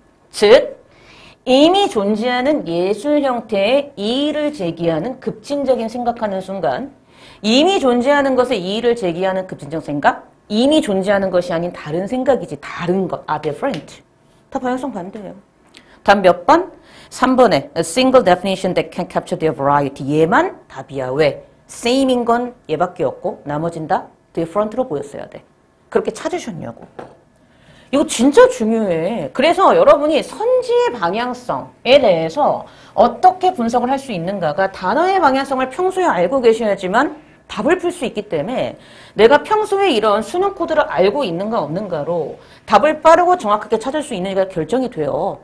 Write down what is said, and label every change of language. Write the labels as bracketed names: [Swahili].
[Korean] 즉 이미 존재하는 예술 형태의 이의를 제기하는 급진적인 생각하는 순간 이미 존재하는 것의 이의를 제기하는 급진적 생각 이미 존재하는 것이 아닌 다른 생각이지 다른 것. 아, different. 다 방향성 반대예요. 단 몇 번? 3번에 [English] A single definition that can capture their variety. [Korean] 얘만 답이야. 왜? same인 건 얘밖에 없고 나머진 다? 디프런트로 보였어야 돼. 그렇게 찾으셨냐고. 이거 진짜 중요해. 그래서 여러분이 선지의 방향성에 대해서 어떻게 분석을 할 수 있는가가 단어의 방향성을 평소에 알고 계셔야지만 답을 풀 수 있기 때문에 내가 평소에 이런 수능 코드를 알고 있는가 없는가로 답을 빠르고 정확하게 찾을 수 있는지가 결정이 돼요.